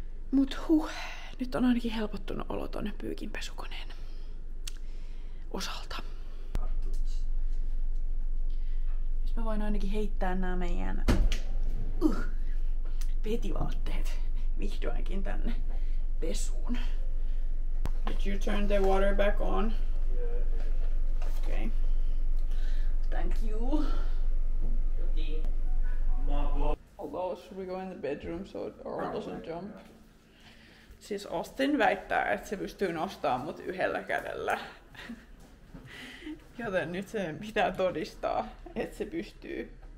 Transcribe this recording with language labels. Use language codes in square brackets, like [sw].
[fi] Mut nyt on ainakin helpottunut olo tonne pyykinpesukoneen osalta. Nyt mä voin ainakin heittää nää meidän petivaatteet vihdoinkin tänne pesuun. [en] Did you turn the water back on? Okay. Thank you. Although, should we go in the bedroom so it all doesn't jump? [fi] Siis Austin väittää, että se pystyy nostamaan mut yhdellä kädellä. Joten nyt se pitää todistaa, että se pystyy.